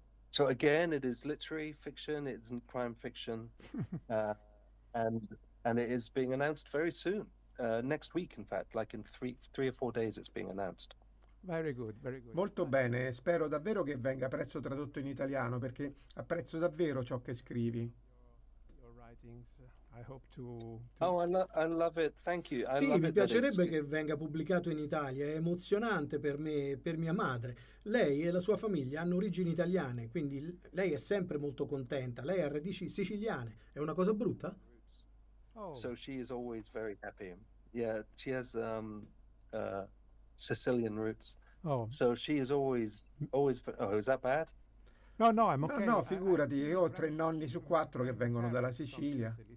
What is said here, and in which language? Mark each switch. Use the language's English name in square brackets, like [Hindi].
[English] So again, it is literary fiction, it isn't crime fiction, and it is being announced very soon, next week, in fact, like in three or four days, it's being announced. Very good. [Italian] Molto bene. Spero davvero che venga presto tradotto in italiano, perché apprezzo davvero ciò che scrivi. [English] Your writings. I hope to. I love it. Thank you. [Italian] Sì, mi piacerebbe che venga pubblicato in Italia. È emozionante per me e per mia madre. Lei e la sua famiglia hanno origini italiane, quindi lei è sempre molto contenta. Lei ha radici siciliane. È una cosa brutta? [English] So she is always very happy. Yeah, she has Sicilian roots. Oh. So she is always. Oh, is that bad? [Italian] No, no, è okay. No, figurati, io ho 3 nonni su 4 che vengono dalla Sicilia.